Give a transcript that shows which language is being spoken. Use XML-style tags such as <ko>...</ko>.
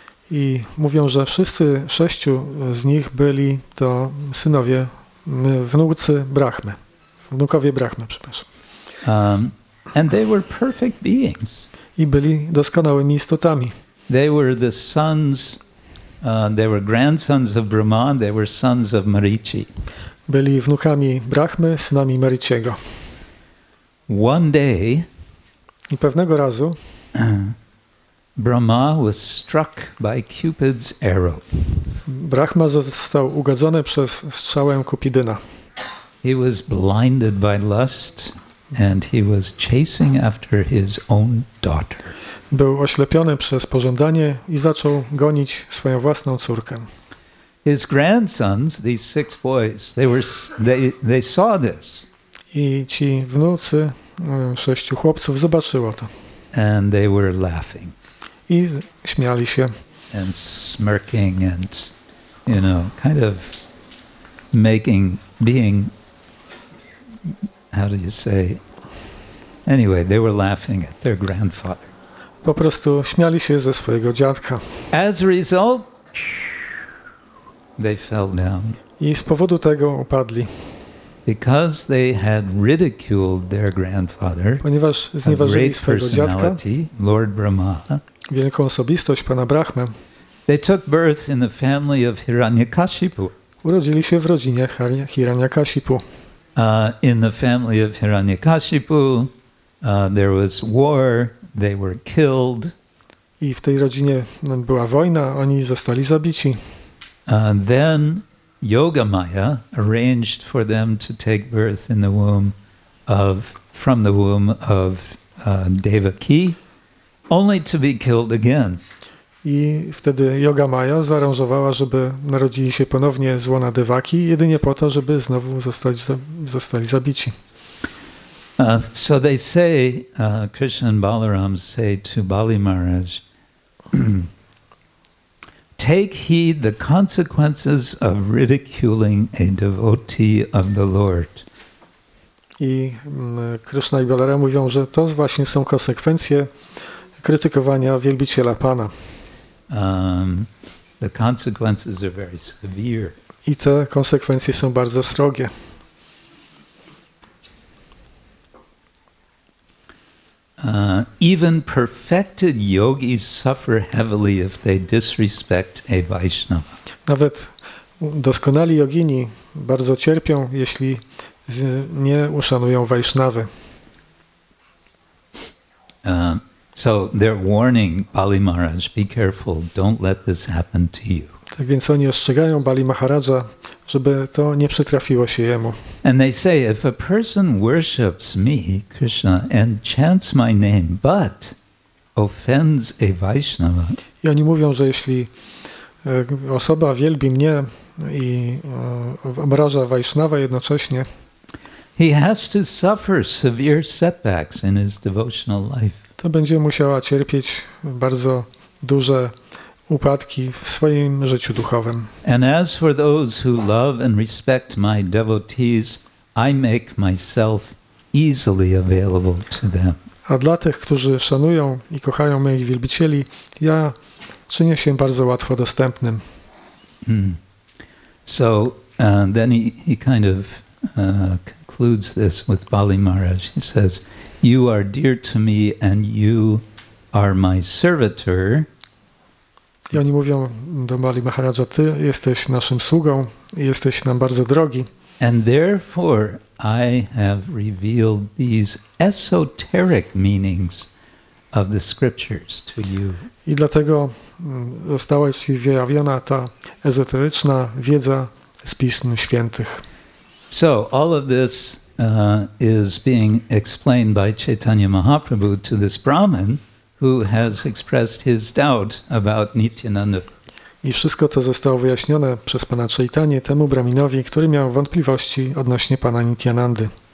<pl>I mówią, że wszyscy sześciu z nich byli to synowie, wnucy Brahmy, wnukowie Brahmy, przepraszam.</pl> <en>And they were perfect beings.</en> <pl>I byli doskonałymi istotami.</pl> <en>They were the sons, they were grandsons of Brahma, they were sons of Marici.</en> <pl>Byli wnukami Brahmy, synami Mariciego.</pl> <en>One day,</en> <pl>i pewnego razu,</pl> <en>Brahma was struck by Cupid's arrow.</en> <pl>Brahma został ugodzony przez strzałę Kupidyna.</pl> <en>He was blinded by lust and he was chasing after his own daughter.</en> <pl>Był oślepiony przez pożądanie i zaczął gonić swoją własną córkę.</pl> <en>His grandsons, these six boys, they saw this.</en> <pl>I ci wnucy sześciu chłopców zobaczyło to.</pl> <en>And they were laughing.</en> <pl>I śmiali się.</pl> <en>And smirking and, you know, kind of making, being, how do you say, anyway, they were laughing at their grandfather.</en> <pl>Po prostu śmiali się ze swojego dziadka.</pl> <en>As a result, they fell down.</en> <pl>I z powodu tego upadli.</pl> <en>Because they had ridiculed their grandfather,</en> <pl>ponieważ znieważyli swojego dziadka,</pl> <en>Lord Brahma,</en> <pl>wielką osobistość pana Brahmę.</pl> <en>They took birth in the family of Hiranyakashipu.</en> <pl>Urodzili się w rodzinie Hiranyakashipu.</pl> <en>In the family of Hiranyakashipu, there was war. They were killed.</en> <pl>I w tej rodzinie była wojna. Oni zostali zabici.</pl> <en>Then Yogamaya arranged for them to take birth in the womb of from the womb of Devaki. Only to be killed again.</en> <pl>I wtedy Yogamaya zaaranżowała, żeby narodzili się ponownie z łona Devaki, jedynie po to, żeby znowu zostali zabici.</pl> <en>So they say, Krishna and Balaram say to Bali Maharaj, take heed the consequences of ridiculing a devotee of the Lord.</en> <pl>I Krishna i Balaram mówią, że to właśnie są konsekwencje krytykowania wielbiciela Pana.</pl> <en>The consequences are very severe.</en> <pl>I te konsekwencje są bardzo srogie.</pl> <en>Even perfected yogis suffer heavily if they disrespect a Vaishnava.</en> <pl>Nawet doskonali jogini bardzo cierpią, jeśli nie uszanują Vaishnavy.</pl> <en>So they're warning Bali Maharaj, be careful, don't let this happen to you.</en> <pl>Tak więc oni ostrzegają Bali Maharaja, żeby to nie przytrafiło się jemu.</pl> <en>And they say, if a person worships me, Krishna, and chants my name, but offends a Vaishnava.</en> <pl>I oni mówią, że jeśli osoba wielbi mnie i obraża Vaishnava jednocześnie,</pl> <en>he has to suffer severe setbacks in his devotional life.</en> <pl>To będzie musiała cierpieć bardzo duże upadki w swoim życiu duchowym.</pl> <en>And as for those who love and respect my devotees, I make myself easily available to them.</en> <pl>A dla tych, którzy szanują i kochają moich wielbicieli, ja czynię się bardzo łatwo dostępnym.</pl> <en>So then he kind of concludes this with Bali Maharaj. He says, "You are dear to me, and you are my servitor."</en> <pl>I oni mówią do Bali Maharaja, ty jesteś naszym sługą i jesteś nam bardzo drogi.</pl> <en>And therefore I have revealed these esoteric meanings of the scriptures to you.</en> <pl>I dlatego została ci wyjawiona ta ezoteryczna wiedza z Pism Świętych.</pl> <en>So all of this is being explained by Chaitanya Mahaprabhu to this Brahmin who has expressed his doubt about Nityananda.</en> <pl>I wszystko to zostało wyjaśnione przez pana Chaitanya temu Brahminowi, który miał wątpliwości odnośnie pana Nityanandy.</pl>